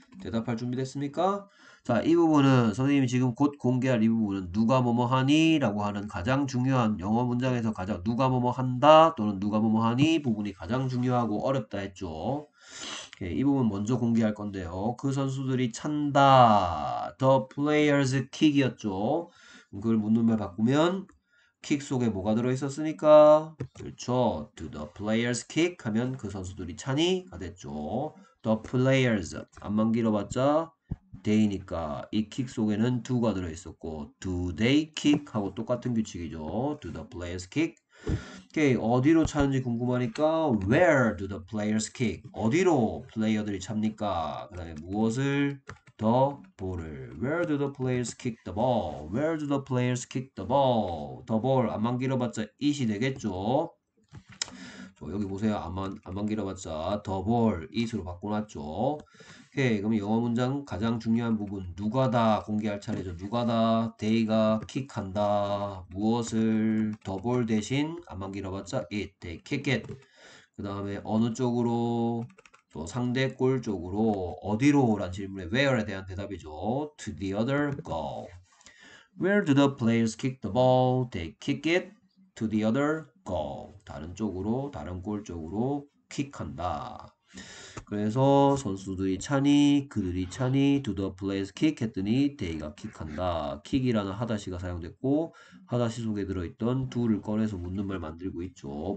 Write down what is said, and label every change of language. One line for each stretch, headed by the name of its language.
Korean: 대답할 준비됐습니까? 자, 이 부분은 선생님이 지금 곧 공개할 이 부분은 누가 뭐뭐 하니라고 하는 가장 중요한 영어 문장에서 가장 누가 뭐뭐 한다 또는 누가 뭐뭐 하니 부분이 가장 중요하고 어렵다 했죠. 이 부분 먼저 공개할 건데요. 그 선수들이 찬다.
English: The players kick이었죠.
Korean: 그걸 묻는 말 바꾸면 kick 속에 뭐가 들어 있었으니까 그렇죠.
English: Do the players kick
Korean: 하면 그 선수들이 찬이가 됐죠. The players 앞만 길어봤자 day니까 이 kick 속에는 do가 들어 있었고
English: do they kick
Korean: 하고 똑같은 규칙이죠.
English: Do the players kick?
Korean: 오케이, 어디로 차는지 궁금하니까
English: where do the players kick?
Korean: 어디로 플레이어들이 찹니까? 그다음에 무엇을
English: the ball을 where do the players kick the ball? where do the players kick the ball?
Korean: the ball 앞만 길어봤자 it이 되겠죠. 여기 보세요. 앞만 길어봤자 the ball it으로 바꿔놨죠. 오케이, 그럼 영어 문장 가장 중요한 부분 누가다 공개할 차례죠. 누가다 they가 킥한다. 무엇을 the ball 대신 앞만 길어봤자 it
English: they kick it.
Korean: 그 다음에 어느 쪽으로 또 상대 골 쪽으로 어디로 라는 질문에 where에 대한 대답이죠.
English: to the other goal. where do the players kick the ball? they kick it to the other goal.
Korean: 다른 쪽으로 다른 골 쪽으로 킥한다. 그래서 선수들이 차니 그들이 차니
English: do the players kick
Korean: 했더니 they가 kick한다. kick이라는 하다시가 사용됐고 하다시 속에 들어있던 do를 꺼내서 묻는 말 만들고 있죠.